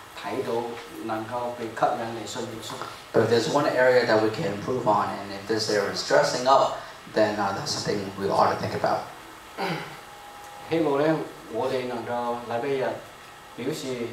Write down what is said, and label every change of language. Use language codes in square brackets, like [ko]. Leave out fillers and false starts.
[yue] 但咧，如果我哋能夠喺某一方面做得更加好，我哋都應該做，為咗叫人睇到，能夠被吸引嚟信耶穌。 [en] But if there's one area that we can improve on, and if this area is dressing up, then that's something we ought to think about. [yue] 希望咧，我哋能夠禮拜日表示。